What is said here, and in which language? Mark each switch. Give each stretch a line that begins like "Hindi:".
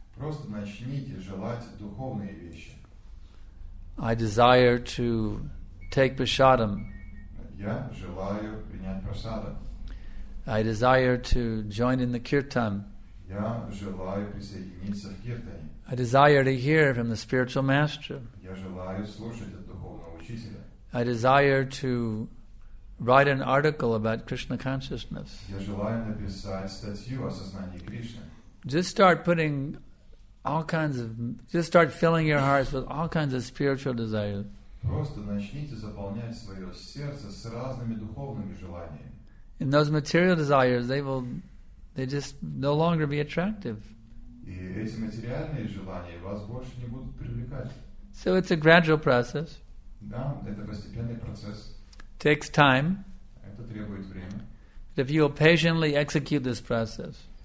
Russian: Просто начните желать духовные вещи.
English: I desire to take prasadam.
Russian: Я желаю принять прасадам.
English: I desire to join in the kirtan.
Russian: Я желаю присоединиться в киртане.
English: I desire to hear from the spiritual master.
Russian: Я желаю слушать от духовного учителя.
English: I desire to write an article about Krishna consciousness.
Russian: Я желаю написать статью о сознании Кришны.
English: Just start putting all kinds of, just start filling your hearts with all kinds of spiritual desires.
Russian: Просто начните заполнять свое сердце с разными духовными желаниями.
English: And those material desires, they just no longer be attractive.
Russian: И эти материальные желания вас больше не будут привлекать.
English: So it's a gradual process.
Russian: Да, это постепенный процесс.
English: Takes time.
Russian: Это требует время.
English: But if you will patiently execute this process.